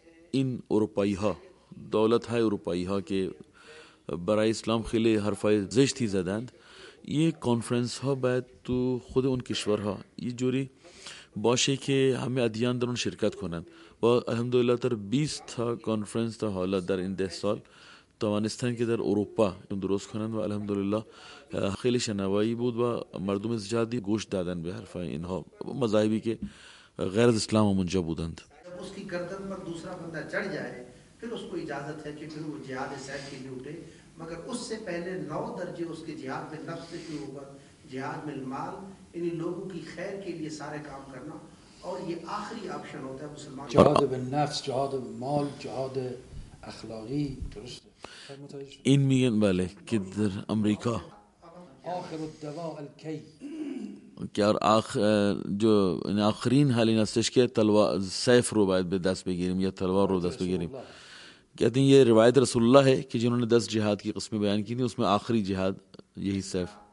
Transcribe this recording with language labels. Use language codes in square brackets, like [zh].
[fa] این اروپایی ها، دولت های اروپایی ها که برای اسلام خیلی حرفای زشتی زدند، یه کانفرنس ها باید تو خود اون کشورها یه جوری باشه که همه ادیان در اون شرکت کنن. و الحمدللہ تر 20 تا کانفرنس تا حالا در این 10 سال توانستن که در اروپا درست کنند و الحمدلله خیلی شنوایی بود و مردم زیادی گوش دادن به حرفای اینها مذاهبی که غیر از اسلام هم اونجا بودند. [ur] اس کی گردن پر دوسرا بندہ چڑھ جائے پھر اس کو اجازت ہے کہ پھر وہ جہاد سیف کے لیے اٹھے، مگر اس سے پہلے 9 درجے اس کے جہاد میں نفس سے شروع کر جہاد میں المال، یعنی لوگوں کی خیر کے لیے سارے کام کرنا، اور یہ آخری آپشن ہوتا ہے مسلمان، جہاد بالنفس، جہاد مال، جہاد اخلاقی. درست [fa] این میگن بله که در امریکا [ar] آخر الدواء الکی [fa] که جو آخرین حال این استش که تلوار سیف رو باید به دست بگیریم یا تلوار رو دست بگیریم. [ur] کہتے ہیں یہ روایت رسول اللہ ہے کہ جنہوں نے 10 جہاد کی قسمیں بیان کی تھی اس میں آخری جہاد یہی سیف.